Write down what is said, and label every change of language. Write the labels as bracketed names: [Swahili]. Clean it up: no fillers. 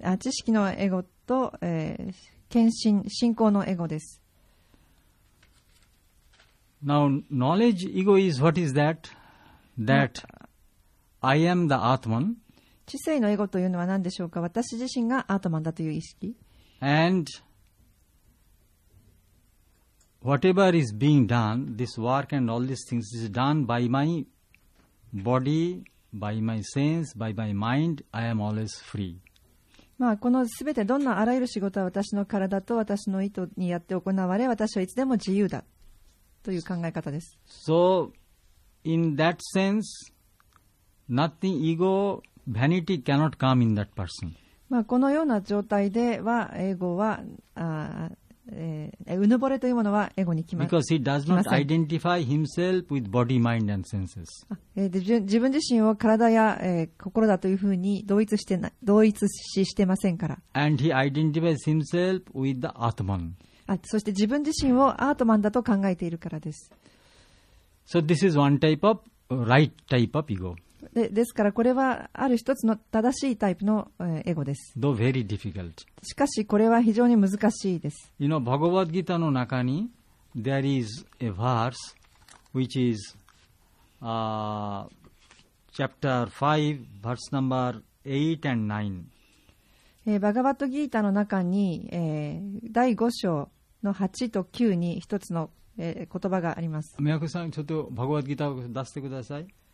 [Japanese] 知識のエゴと、献身、信仰のエゴです。 [English] Now, knowledge ego is what is that? That I am the Atman. [Japanese] 知性のエゴというのは何でしょうか？私自身がアートマンだという意識。 [English] And whatever is being done, this work and all these things is done by my body, by my sense, by my mind. I am always free. [Japanese] まあ、このすべてどんなあらゆる仕事は私の体と私の意図にやって行われ、私はいつでも自由だ。という考え方です。 [English] So, in that sense, nothing ego, vanity cannot come in that person. [Japanese] まあ、このような状態では、エゴは、うぬぼれというものはエゴに来ません。 [English] Because he does not identify himself with body, mind, and senses. [Japanese] 自分自身を体や、心だというふうに同一してな、同一視してませんから。 [English] And he identifies himself with the Atman. [Japanese] そして自分自身をアートマンだと考えているからです。 [English] So this is one type of right type of ego. [Japanese] ですからこれはある一つの正しいタイプのエゴです。 [English] Though very difficult. [Japanese] しかしこれは非常に難しいです。 [English] You know, Bhagavad Gita [Japanese] の中に [English] there is a verse which is chapter 5, verse number 8 and 9. [Japanese] バガバットギータの中に、第5章の8と9に一つの、言葉があります。宮古さんちょっとバガバットギータを出してください。